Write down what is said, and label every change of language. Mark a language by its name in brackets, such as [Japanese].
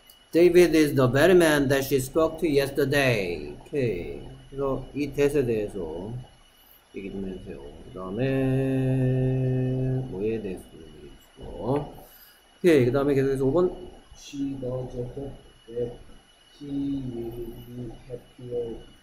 [English] 데이비드 is the very man that she spoke to yesterday. [Korean] 오케이. 그래서 이 뎃에 대해서 얘기 좀 해주세요. 그 다음에 뭐에 대해서 얘기해 주시고. 오케이. 그 다음에 계속해서 5번. [English] She does hope that he will be happier